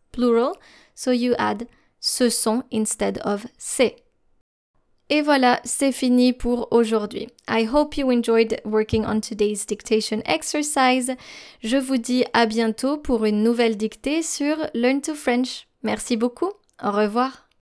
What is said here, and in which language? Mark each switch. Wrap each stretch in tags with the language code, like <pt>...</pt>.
<en>Plural, so you add ce sont instead of c'est.</en> <fr>Et voilà, c'est fini pour aujourd'hui.</fr> <en>I hope you enjoyed working on today's dictation exercise.</en> <fr>Je vous dis à bientôt pour une nouvelle dictée sur Learn to French. Merci beaucoup. Au revoir.</fr>